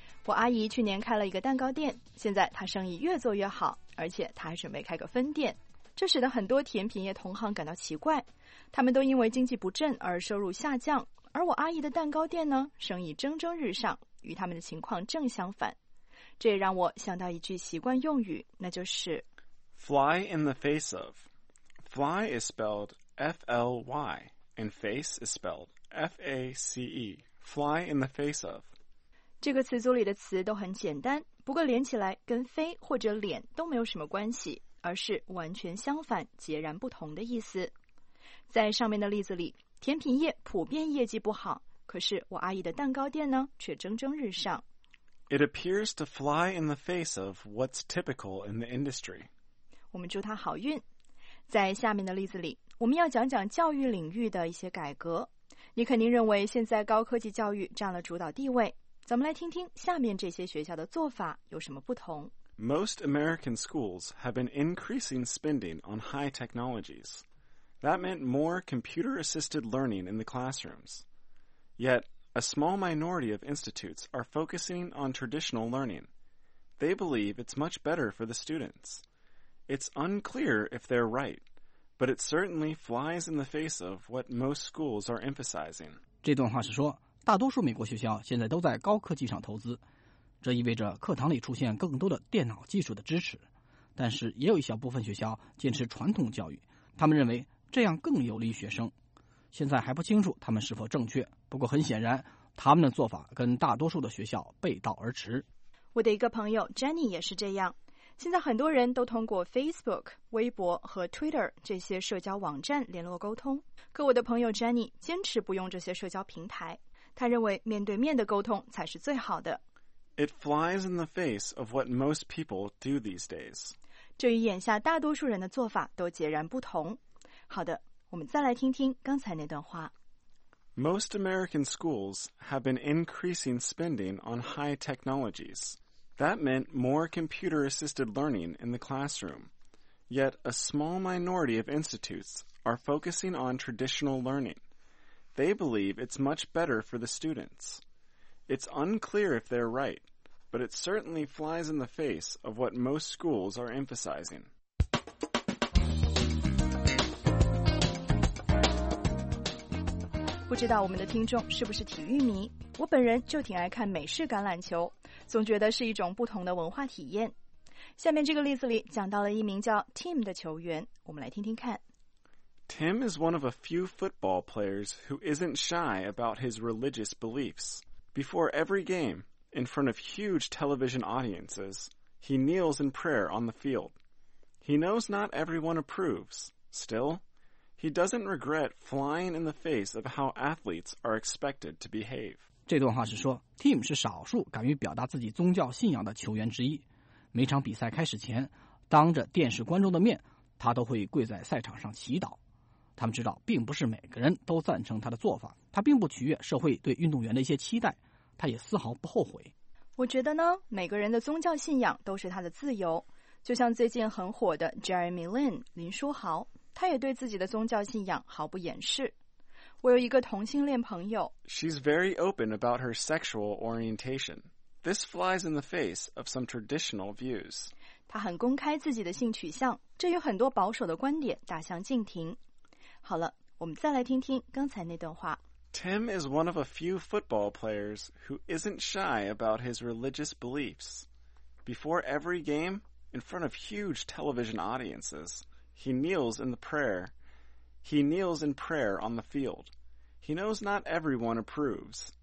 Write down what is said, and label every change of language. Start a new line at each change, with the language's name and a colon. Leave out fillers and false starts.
Chinese: 我阿姨去年开了一个蛋糕店，现在她生意越做越好，而且她还准备开个分店，这使得很多甜品业同行感到奇怪，他们都因为经济不振而收入下降，而我阿姨的蛋糕店呢，生意蒸蒸日上，与他们的情况正相反。这也让我想到一句习惯用语，那就是
English: Fly in the face of. Fly is spelledFLY, and face is spelled FACE, fly in the face of.
Chinese: 这个词组里的词都很简单，不过连起来跟飞或者脸都没有什么关系，而是完全相反，截然不同的意思。在上面的例子里，甜品业普遍业绩不好，可是我阿姨的蛋糕店呢，却蒸蒸日上。
English: It appears to fly in the face of what's typical in the industry.
Chinese: 我们祝她好运。在下面的例子里，我们要讲讲教育领域的一些改革。你肯定认为现在高科技教育占了主导地位，咱们来听听下面这些学校的做法有什么不同。
English: Most American schools have been increasing spending on high technologies. That meant more computer-assisted learning in the classrooms. Yet, a small minority of institutes are focusing on traditional learning. They believe it's much better for the students. It's unclear if they're right. But it certainly flies in the face of what most schools are emphasizing.
Chinese: 这段话是说，大多数美国学校现在都在高科技上投资，这意味着课堂里出现更多的电脑技术的支持。但是也有一小部分学校坚持传统教育，他们认为这样更有利于学生。现在还不清楚他们是否正确，不过很显然，他们的做法跟大多数的学校背道而驰。我的一个朋友 Jenny 也是这样。现在很多人都通过 Facebook、微博和 Twitter 这些社交网站联络沟通，可我的朋友 Jenny 坚持不用这些社交平台，他认为面对面的沟通才是最好的。
English: It flies in the face of what most people do these days.
Chinese: 这与眼下大多数人的做法都截然不同。好的，我们再来听听刚才那段话。
English: Most American schools have been increasing spending on high technologies. That meant more computer-assisted learning in the classroom. Yet, a small minority of institutes are focusing on traditional learning. They believe it's much better for the students. It's unclear if they're right, but it certainly flies in the face of what most schools are emphasizing.
Chinese: 不知道我们的听众是不是体育迷？我本人就挺爱看美式橄榄球。总觉得是一种不同的文化体验。下面这个例子里讲到了一名叫 Tim 的球员，我们来听听看。
English: Tim is one of a few football players who isn't shy about his religious beliefs. Before every game, in front of huge television audiences, he kneels in prayer on the field. He knows not everyone approves. Still, he doesn't regret flying in the face of how athletes are expected to behave.
Chinese: 这段话是说 ,Tim 是少数敢于表达自己宗教信仰的球员之一。每场比赛开始前，当着电视观众的面，他都会跪在赛场上祈祷。他们知道并不是每个人都赞成他的做法，他并不取悦社会对运动员的一些期待，他也丝毫不后悔。我觉得呢，每个人的宗教信仰都是他的自由。就像最近很火的 Jeremy Lin 林书豪，他也对自己的宗教信仰毫不掩饰。我有一个同性恋朋友，
English: She's very open about her sexual orientation. This flies in the face of some traditional views.
Chinese: 他很公开自己的性取向，这与很多保守的观点大相径庭。好了，我们再来听听刚才那段话。
English: Tim is one of a few football players who isn't shy about his religious beliefs. Before every game, in front of huge television audiences, he kneels in prayer on the field. He knows not everyone approves.